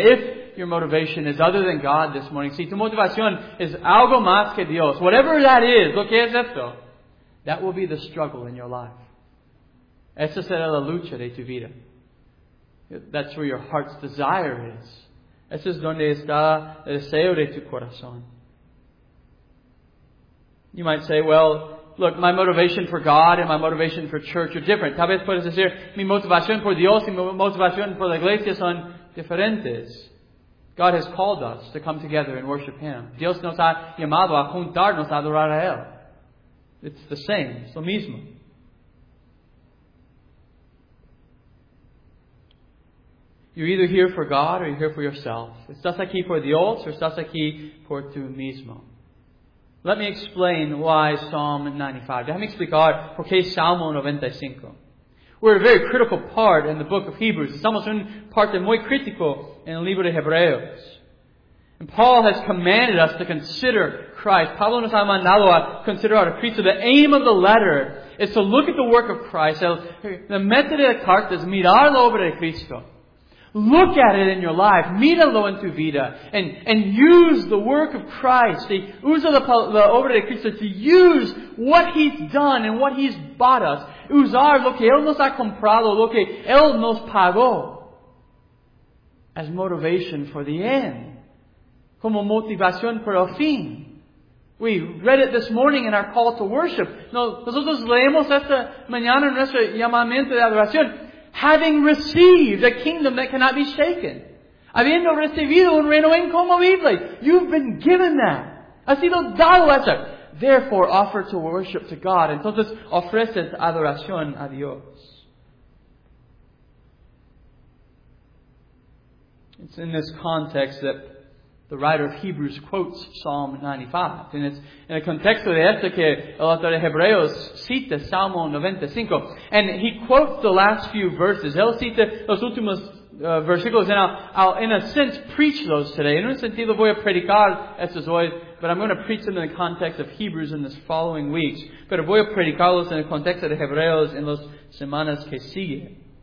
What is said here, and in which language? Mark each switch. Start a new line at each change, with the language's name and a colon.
English: If your motivation is other than God this morning,
Spanish: si tu motivación es algo más que Dios,
English: whatever that is,
Spanish: lo que es esto,
English: that will be the struggle in your life.
Spanish: Esa será la lucha de tu vida.
English: That's where your heart's desire is.
Spanish: Eso es donde está el deseo de tu corazón.
English: You might say, well, look, my motivation for God and my motivation for church are different.
Spanish: Tal vez puedes decir, mi motivación por Dios y mi motivación por la iglesia son diferentes.
English: God has called us to come together and worship Him.
Spanish: Dios nos ha llamado a juntarnos a adorar a Él.
English: It's the same. It's
Spanish: lo mismo.
English: You're either here for God or you're here for yourself.
Spanish: Estás aquí por Dios or estás aquí por tu mismo.
English: Let me explain why Psalm 95.
Spanish: Déjame explicar por qué Salmo 95.
English: We're a very critical part in the book of Hebrews.
Spanish: Somos un parte muy crítico en el libro de Hebreos.
English: And Paul has commanded us to consider Christ.
Spanish: Pablo nos ha mandado a considerar a Cristo.
English: The aim of the letter is to look at the work of Christ.
Spanish: The meta de la carta es mirar la obra de Cristo.
English: Look at it in your life.
Spanish: Míralo en tu vida.
English: And use the work of Christ.
Spanish: Usa la obra de Cristo
English: to use what He's done and what He's bought us.
Spanish: Usar lo que Él nos ha comprado, lo que Él nos pagó.
English: As motivation for the end.
Spanish: Como motivación para el fin.
English: We read it this morning in our call to worship.
Spanish: Nosotros leemos esta mañana en nuestro llamamiento de adoración.
English: Having received a kingdom that cannot be shaken.
Spanish: Habiendo recibido un reino incomovible.
English: You've been given that.
Spanish: Ha sido dado eso.
English: Therefore, offer to worship to God.
Spanish: Entonces, ofrece adoración a Dios.
English: It's in this context that the writer of Hebrews quotes Psalm 95. And it's in the context of
Spanish: esto que el autor de Hebreos cita Salmo 95.
English: And he quotes the last few verses.
Spanish: Él cita los últimos versículos.
English: And I'll, in a sense, preach those today.
Spanish: En un sentido, voy a predicar estos hoy.
English: But I'm going to preach them in the context of Hebrews in the following weeks.
Spanish: Pero voy a predicarlos en el contexto de Hebreos en las semanas que siguen.